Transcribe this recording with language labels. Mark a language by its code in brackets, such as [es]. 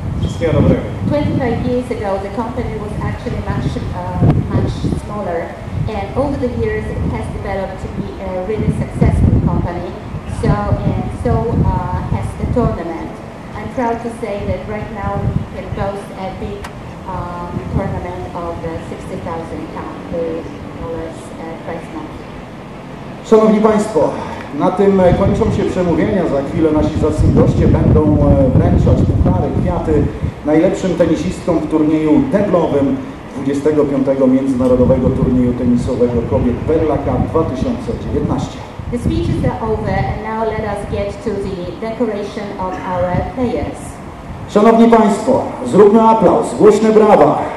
[en] Ago, the company was actually much smaller, and over the years it has developed to be a really successful company. So has the tournament. I'm proud to say that right now we can boast a big tournament of 60,000 prize money. [pl] Szanowni Państwo, na tym kończą się przemówienia. Za chwilę nasi zacni goście będą wręczać puchary, kwiaty najlepszym tenisistom w turnieju deblowym 25. Międzynarodowego Turnieju Tenisowego Kobiet Bella Cup 2019. [en] The speeches are over and now let us get to the decoration of our players. [pl] Szanowni Państwo, zróbmy aplauz, głośne brawa.